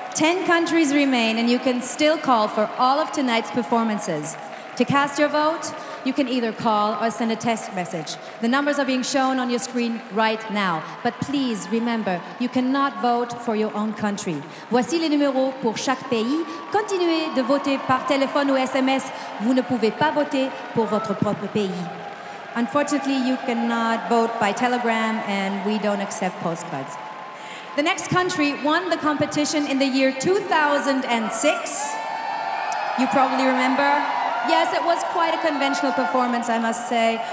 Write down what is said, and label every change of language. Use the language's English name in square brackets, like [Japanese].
[English] 10 countries remain, and you can still call for all of tonight's performances. To cast your vote, you can either call or send a text message. The numbers are being shown on your screen right now. But please remember, you cannot vote for your own country. [French] Voici les numéros pour chaque pays. Continuez de voter par téléphone ou SMS. Vous ne pouvez pas voter pour votre propre pays. [English] Unfortunately, you cannot vote by telegram, and we don't accept postcards. The next country won the competition in the year 2006. You probably remember. Yes, it was quite a conventional performance, I must say.